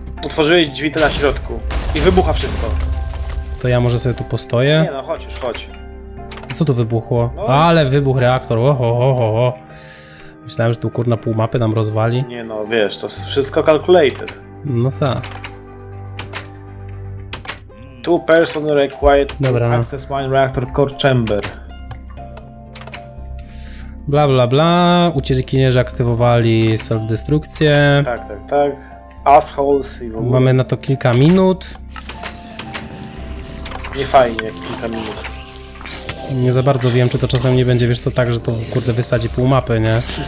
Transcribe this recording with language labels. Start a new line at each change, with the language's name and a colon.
Polish: Otworzyłeś drzwi te na środku. I wybucha wszystko. To ja może sobie tu postoję? Nie no, chodź już, chodź. Co tu wybuchło? No. Ale wybuch reaktor, ohohoho. Myślałem, że tu kurna pół mapy nam rozwali. Nie no, wiesz, to wszystko calculated. No tak.
English: Two person required to access mine reactor core chamber.
Polish: Bla bla bla, uciekinierzy aktywowali self-destrukcję. Tak. Assholes i w ogóle. Mamy na to kilka minut. Nie fajnie, jak kilka minut. Nie za bardzo wiem, czy to czasem nie będzie, wiesz co, tak, że to kurde wysadzi pół mapy, nie?